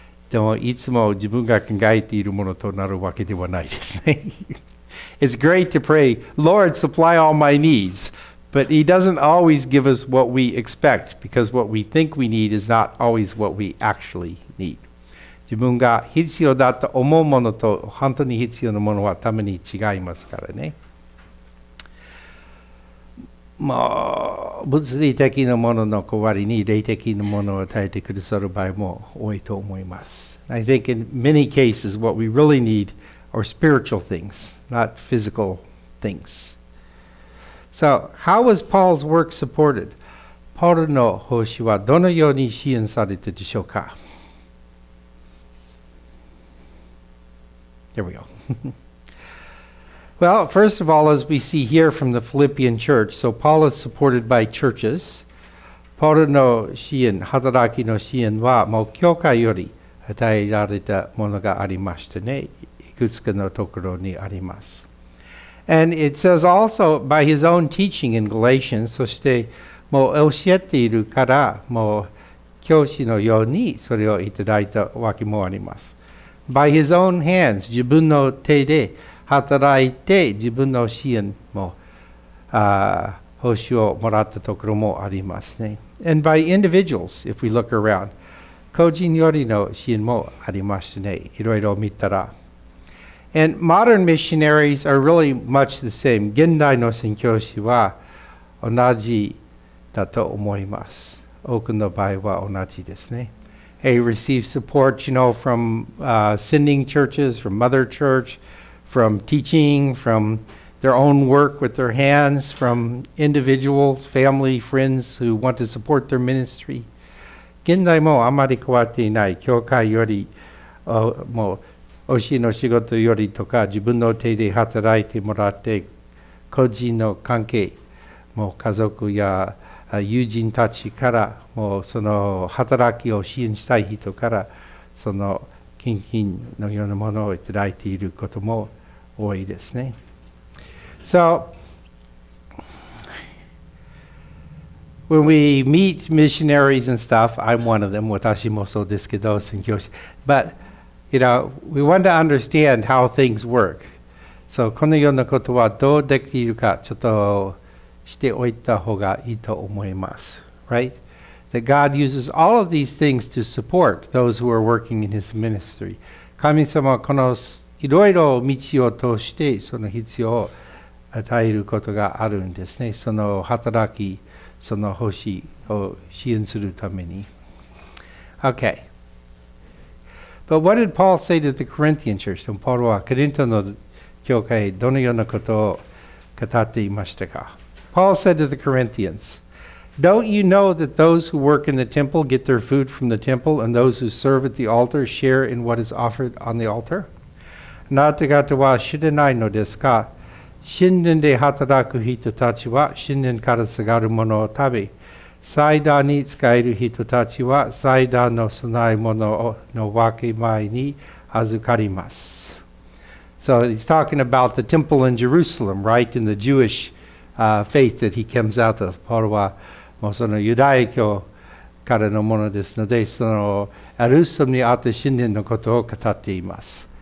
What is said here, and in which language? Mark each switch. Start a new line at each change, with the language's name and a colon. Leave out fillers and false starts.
Japanese: でもいつも自分が考えているものとなるわけではないですね。
English: It's great to pray, Lord, supply all my needs. But he doesn't always give us what we expect because what we think we need is not always what we actually need.
Japanese: 自分が必要だと思うものと本当に必要なものはたまに違いますからね。まあ、物理的なものの代わりに霊的なものを与えてくださる場合も多いと思います。
English: I think in many cases what we really need are spiritual things, not physical things. So, how was Paul's work supported?
Japanese: パウロの奉仕はどのように支援されたでしょうか?
English: There we go. Well, first of all, as we see here from the Philippian church, so Paul is supported by churches.
Japanese: パウロの支援、働きの支援は、もう教会より与えられたものがありましてね、いくつかのところにあります。
English: And it says also by his own teaching in Galatians,
Japanese: そしてもう教えているから、もう教師のようにそれをいただいたわけもあります。
English: By his own hands,
Japanese: 自分の手で、働いて自分の支援も報酬をもらったところもありますね。
English: And by individuals, if we look around,
Japanese: 個人よりの支援もありましたね。いろいろ見たら。
English: And modern missionaries are really much the same.
Japanese: 現代の宣教師は同じだと思います。多くの場合は同じですね。
English: Hey, receive support, you know, from sending churches, from mother church, from teaching, from their own work with their hands, from individuals, family, friends who want to support their ministry.
Japanese: 現在もあまり変わっていない教会よりもう教えの仕事よりとか自分の手で働いてもらって個人の関係もう家族や友人たちからもうその働きを支援したい人からその献金のようなものをいただいていることも多いですね。
English: So when we meet missionaries and stuff, I'm one of them,
Japanese: 私もそうですけど宣教師、
English: but you know, we want to understand how things work.
Japanese: So このようなことはどうできているかちょっとしておいた方がいいと思います。
English: Right? That God uses all of these things to support those who are working in His ministry.
Japanese: 神様はこのいろいろ道を通してその必要を与えることがあるんですね。その働き、その奉仕を支援するために。
English: Okay. But what did Paul say to the Corinthian church?
Japanese: パウロはコリントの教会どのようなことを語っていましたか？
English: Paul said to the Corinthians, "Don't you know that those who work in the temple get their food from the temple, and those who serve at the altar share in what is offered on the altar?
Japanese: あなた方は知らないのですか？神殿で働く人たちは神殿から下がるものを食べ、祭壇に仕える人たちは祭壇の供え物の分け前に預かります。
English: So he's talking about the temple in Jerusalem, right, in the Jewish faith that he comes out of.
Japanese: Paul はもうそのユダヤ教からのものですので、そのエルサレムにあった神殿のことを語っています。